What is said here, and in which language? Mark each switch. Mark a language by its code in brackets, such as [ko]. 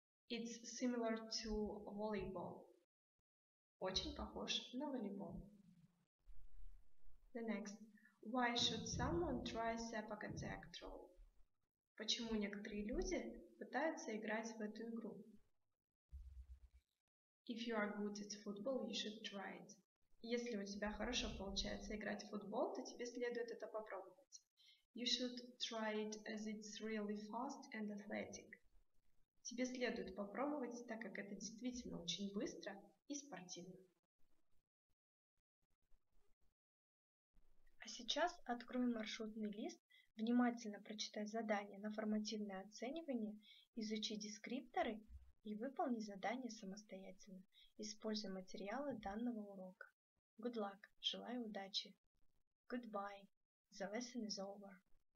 [en] It's similar to volleyball. [ru] Очень похож на волейбол. [en] The next. Why should someone try sepak takraw? [ru] Почему некоторые люди пытаются играть в эту игру? [en] If you are good at football, you should try it. [ru] Если у тебя хорошо получается играть в футбол, то тебе следует это попробовать. [en] You should try it as it's really fast and athletic. [ru] Тебе следует попробовать, так как это действительно очень быстро и спортивно. А сейчас откроем маршрутный лист, внимательно прочитай задание на формативное оценивание, изучи дескрипторы и выполни задание самостоятельно, используя материалы данного урока. [en] Good luck! [ru] Желаю удачи! [en] Goodbye! The lesson is over.